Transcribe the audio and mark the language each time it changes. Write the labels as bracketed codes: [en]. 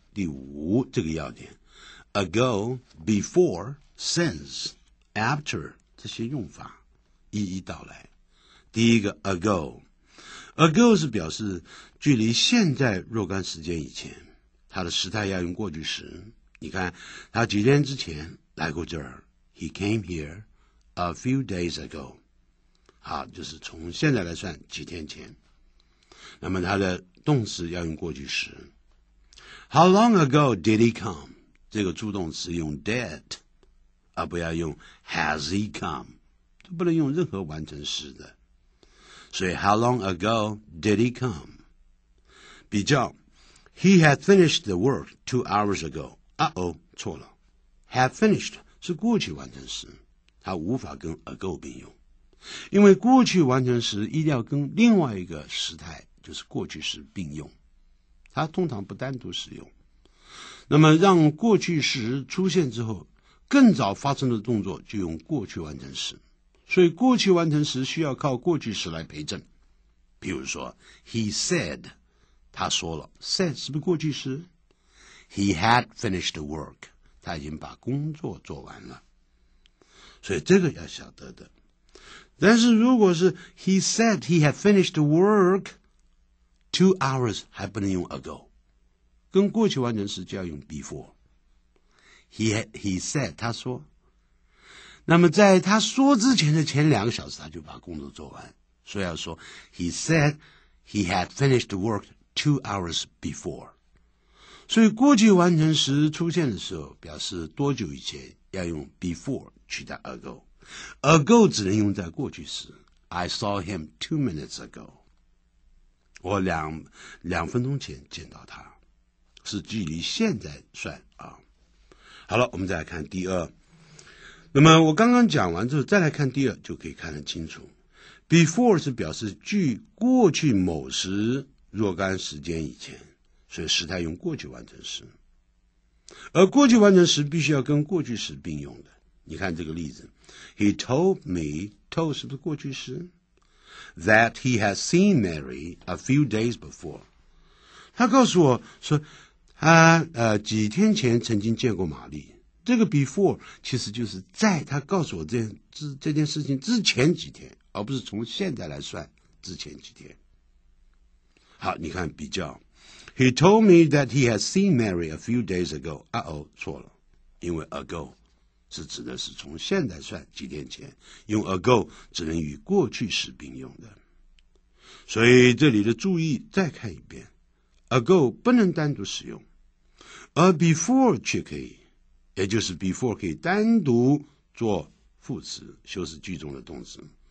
[zh] 第五这个要点 ago, before, since, after 这些用法一一道来。第一个 ago, ago 是表示距离现在若干时间以前，它的时态要用过去时。你看他几天之前来过这儿， [en] He came here a few days ago。 [zh] 好，就是从现在来算几天前。那么他的动词要用过去时。 [en] How long ago did he come? [zh] 这个助动词用 did 而不要用 [en] has he come， [zh] 就不能用任何完成时的。 [en] 所以 How long ago did he come? 比较 He had finished the work 2 hours ago。 [zh] Uh-oh, 错了。 Have finished 是过去完成时，它无法跟 ago 并用。因为过去完成时一定要跟另外一个时态，就是过去时并用。它通常不单独使用。那么让过去时出现之后，更早发生的动作就用过去完成时。所以过去完成时需要靠过去时来陪证。比如说 , [en] he said, [zh] 他说了 ,said 是不是过去时？ [en] He had finished the work. [zh] 他已经把工作做完了。所以这个要晓得的。但是如果是 [en] He said he had finished the work 2 hours [zh] 还不能用 ago， 跟过去完成时就要用 before。 [en] He said [zh] 他说，那么在他说之前的前2个小时他就把工作做完，所以要说 [en] He said he had finished the work 2 hours before。 [zh] 所以过去完成时出现的时候，表示多久以前，要用 before 取代 ago。 ago 只能用在过去时， [en] I saw him 2 minutes ago， [zh] 我两分钟前见到他，是距离现在算啊。好了，我们再来看第二。那么我刚刚讲完之后再来看第二就可以看得清楚。 before 是表示距过去某时若干时间以前，所以时态用过去完成时，而过去完成时必须要跟过去时并用的。你看这个例子 [en] He told me， [zh] told 是不是过去时？ [en] That he had seen Mary a few days before， [zh] 他告诉我说他几天前曾经见过玛丽。这个 before 其实就是在他告诉我 这件事情之前几天，而不是从现在来算之前几天。好，你看比较 [en] He told me that he had seen Mary a few days ago. [zh] Uh-oh, 错了。因为 ago 是指的是从现在算几天前。用 ago 只能与过去时并用的。所以这里的注意再看一遍。 ago 不能单独使用。而 before 却可以。也就是 before 可以单独做副词，修饰句中的动词。